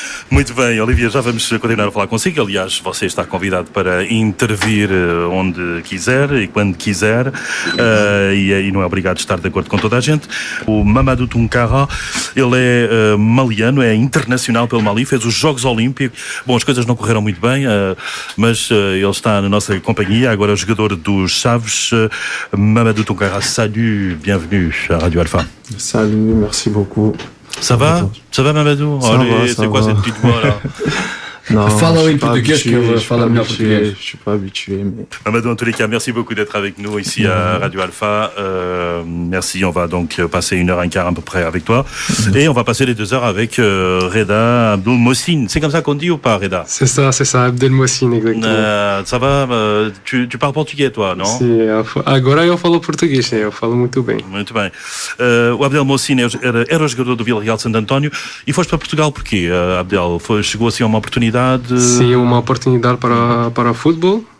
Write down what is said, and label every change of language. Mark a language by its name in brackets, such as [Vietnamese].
[Portuguese] Muito bem, Olivia, já vamos continuar a falar consigo. Aliás, você está convidado para intervir onde quiser e quando quiser. E não é obrigado a estar de acordo com toda a gente. O Mamadou Tumkara, ele é maliano, é internacional pelo Mali, fez os Jogos Olímpicos. Bom, as coisas não correram muito bem, mas ele está na nossa companhia. Agora é o jogador dos Chaves. [French] Mamadou Tumkara, salut, bienvenue à Radio Alpha. Salut, merci beaucoup. Ça va? Ça va, Mamadou? [Portuguese] Olha, [French] c'est quoi cette petite voix là? Non, [Portuguese] fala em português, que ele fala melhor [French] português. Je suis pas habitué. Mamadou, en tous les cas, merci beaucoup d'être avec nous ici à Radio Alpha. Merci, on va donc passer 1h15 à peu près avec toi. Et on va passer les 2 heures avec Reda Abdel Mohsin. C'est comme ça qu'on dit ou pas, Reda? C'est ça, Abdel Mohsin, exactement. Ça va, tu parles portugais, toi, non? [Portuguese] Sim, agora eu falo português, eu falo muito bem. Muito bem. O Abdel Mohsin era o jogador do Vila-Real de Santo António e foste para Portugal porquê, Abdel? Chegou assim a uma oportunidade? Sim, uma oportunidade para o futebol.